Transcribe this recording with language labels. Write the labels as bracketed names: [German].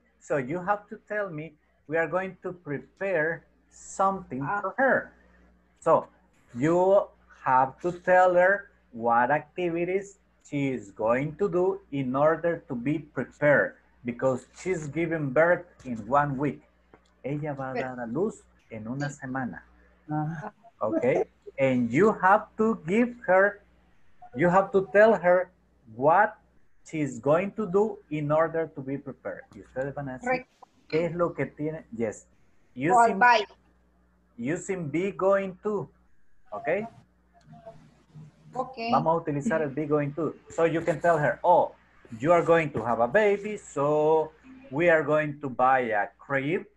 [English] So you have to tell me we are going to prepare something for her. So you have to tell her what activities she is going to do in order to be prepared, because she's giving birth in 1 week. [Spanish] Ella va a dar a luz en una semana. [English] Okay? And you have to give her, you have to tell her what she's going to do in order to be prepared. [Spanish] Y ustedes van a decir, ¿qué es lo que tiene? [English] Yes. Using be going to. Okay? Okay. [Spanish] Vamos a utilizar el [English] be going to. So you can tell her, oh, you are going to have a baby, so we are going to buy a crib.